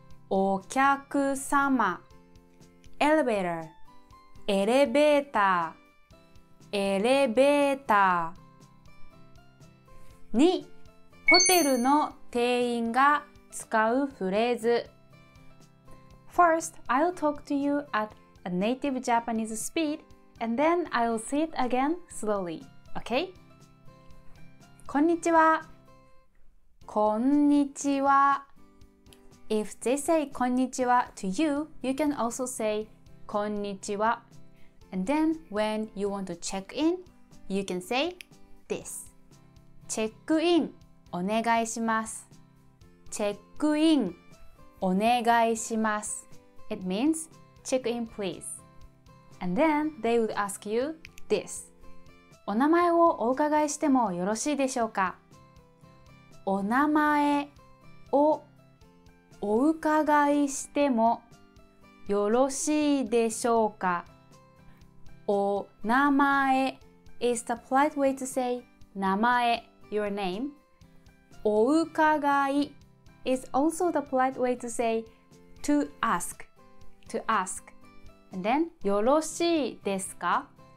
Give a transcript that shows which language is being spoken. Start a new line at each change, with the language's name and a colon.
Japanese: お客様、エレベーター、エレベーター、エレベーター。2. ホテルの店員が使うフレーズ。
English: First, I'll talk to you at a native Japanese speed, and then I'll say it again slowly, okay?
Japanese: こんにちは。こんにちは。
English: If they say
Japanese: こんにちは
English: to you, you can also say こんにちは。 And then when you want to check in, you can say this.
Japanese: チェックインお願いします。チェックインお願いします。
English: It means check in please. And then they would ask you this.
Japanese: お名前をお伺いしてもよろしいでしょうか。お名前をお伺いしてもよろしいでしょうか。お名前
English: is the polite way to say 名前 your name.
Japanese: お伺い
English: is also the polite way to say to ask. To ask. And then
Japanese: よろしいですか